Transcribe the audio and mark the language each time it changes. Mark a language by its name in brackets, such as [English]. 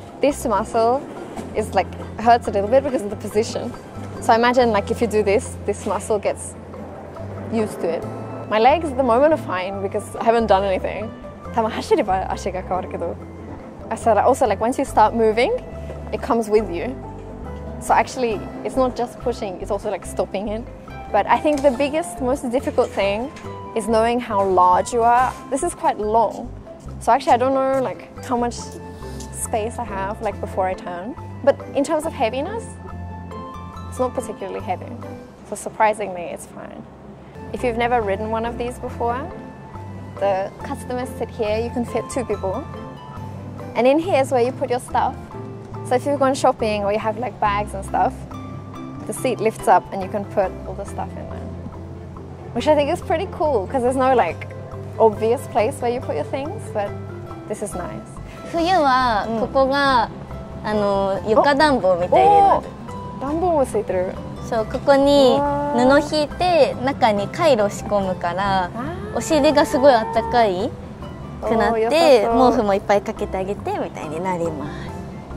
[English] This muscle is like hurts a little bit because of the position. So imagine like if you do this, this muscle gets used to it. My legs at the moment are fine because I haven't done anything. [Japanese] 多分走れば足が変わるけど。 [English] Also, like once you start moving, it comes with you. So actually, it's not just pushing, it's also like stopping it. But I think the biggest, most difficult thing is knowing how large you are. This is quite long. So actually, I don't know like how much space I have like before I turn. But in terms of heaviness, it's not particularly heavy. So surprisingly, it's fine. If you've never ridden one of these before, the customers sit here, you can fit 2 people. And in here is where you put your stuff. So if you've gone shopping or you have like bags and stuff, the seat lifts up and you can put all the stuff in there. Which I think is pretty cool because there's no like obvious place where you put your things, but this is nice. [Japanese] 冬はここが、うん、あの床暖房みたいになる。暖房もついてる。そう、ここに布を敷いて中にカイロ仕込むから、お尻がすごいあったかい。くなって毛布もいっぱいかけてあげてみたいになります。